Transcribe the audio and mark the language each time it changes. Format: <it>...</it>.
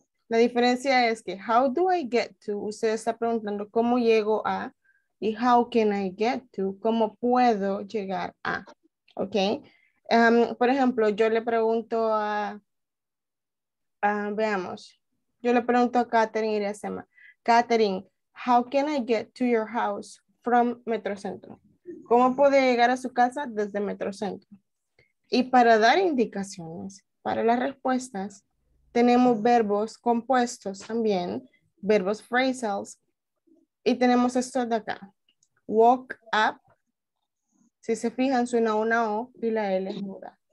<es>La diferencia es que</es> <en>how do I get to?</en> <es>Usted está preguntando cómo llego a. Y</es> <en>how can I get to?</en> <es>¿Cómo puedo llegar a? Ok. Por ejemplo, yo le pregunto a. Veamos. Yo le pregunto a Katherine y le hacemos.</es> <en>Katherine, how can I get to your house from Metrocentro?</en> <es>¿Cómo puedo llegar a su casa desde Metrocentro? Y para dar indicaciones, para las respuestas, tenemos verbos compuestos también, verbos phrasals, y tenemos estos de acá.</es> <en>Walk up.</en> <es>Si se fijan, suena una O y la L es muda.</es>